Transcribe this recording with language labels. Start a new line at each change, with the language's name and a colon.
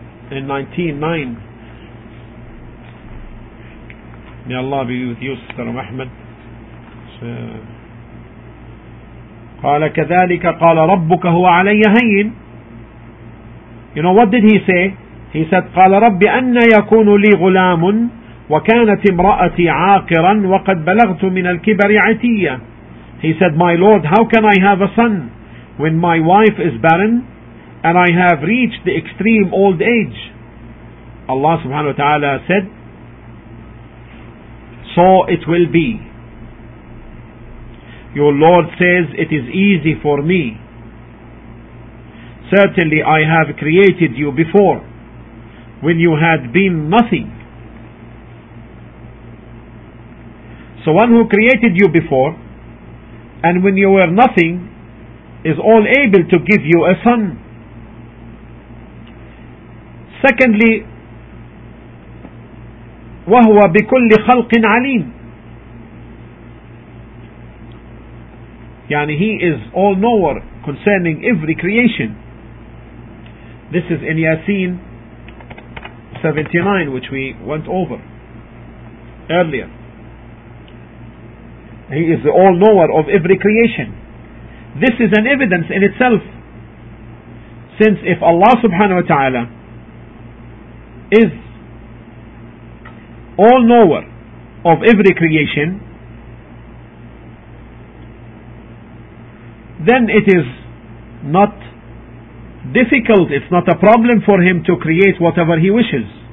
English: In 19:9. May Allah be with you, sister Ahmed.
Arabic: قال كذلك قال ربك هو علي هين.
English: You know what did he say? He said,
Arabic: قال ربي أن يكون لي غلام وكانت امرأتي عاقرا وقد بلغت من الكبر عتية.
English: He said, my lord, how can I have a son when my wife is barren and I have reached the extreme old age? Allah subhanahu wa ta'ala said, so it will be. Your Lord says, it is easy for me. Certainly I have created you before, when you had been nothing. So one who created you before, and when you were nothing, is all able to give you a son. Secondly,
Arabic: وَهُوَ بِكُلِّ خَلْقٍ عَلِيمٍ.
English: يعني he is all knower concerning every creation. This is in Yasin 79, which we went over earlier. He is the all knower of every creation. This is an evidence in itself, since if Allah subhanahu wa ta'ala is all knower of every creation, then it is not difficult, it's not a problem for him to create whatever he wishes.